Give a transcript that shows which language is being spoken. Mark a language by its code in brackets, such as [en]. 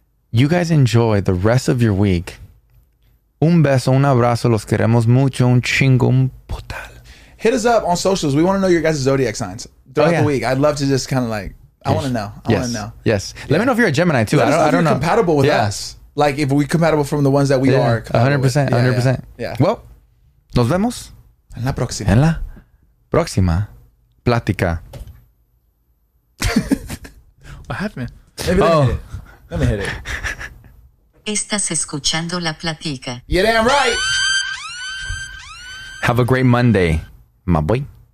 [en] You guys enjoy the rest of your week. [es] Un beso, un abrazo, los queremos mucho, un chingo, un putal. [en] Hit us up on socials. We want to know your guys' zodiac signs throughout the week. I'd love to just kind of like, I want to know. Yes. Let me know if you're a Gemini too. I don't know. Compatible with us. Like if we're compatible from the ones that we are. 100%. 100%. Yeah. [es] Well, nos vemos. En la próxima. En la próxima plática. [en] What happened? Let me hit it. [es] Estás escuchando La Platica. [en] You're damn right. Have a great Monday, my boy.